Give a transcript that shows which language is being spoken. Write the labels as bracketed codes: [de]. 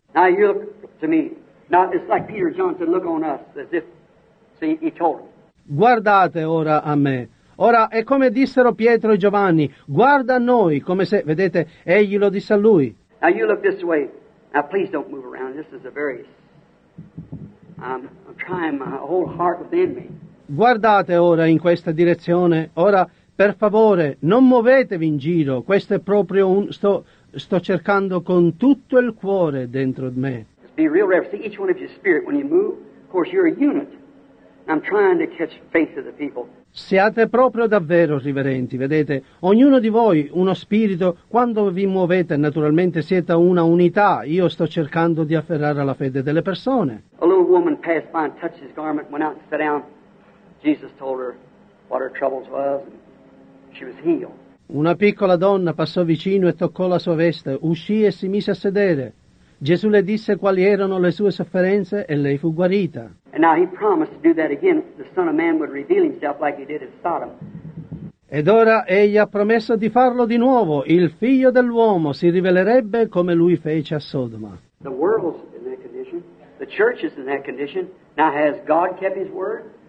[en] Now you look to me. Now it's like Peter Johnson, look on us, as if, see, he told us. [it] Guardate ora a me. Ora è come dissero Pietro e Giovanni, guarda a noi, come se, vedete, egli lo disse a lui. [en] Now you look this way. Now please don't move around. This is a very, I'm trying my whole heart within me. [it] Guardate ora in questa direzione. Ora, per favore, non muovetevi in giro. Questo è proprio un... Sto cercando con tutto il cuore dentro di me. [en] Be real reverent. See, each one of your spirit, when you move, of course, you're a unit. I'm trying to catch faith of the people. [it] Siate proprio davvero riverenti, vedete? Ognuno di voi, uno spirito, quando vi muovete, naturalmente siete una unità. Io sto cercando di afferrare la fede delle persone. [en] A little woman passed by and touched his garment, went out and sat down. Jesus told her what her troubles was, and she was healed. [it] Una piccola donna passò vicino e toccò la sua veste, uscì e si mise a sedere. Gesù le disse quali erano le sue sofferenze e lei fu guarita. [en] And now he promised to do that again. The Son of Man would reveal himself like he did at Sodom. [it] Ed ora egli ha promesso di farlo di nuovo. Il figlio dell'uomo si rivelerebbe come lui fece a Sodoma. [en] The world's in that condition. The church is in that condition. Now has God kept his word?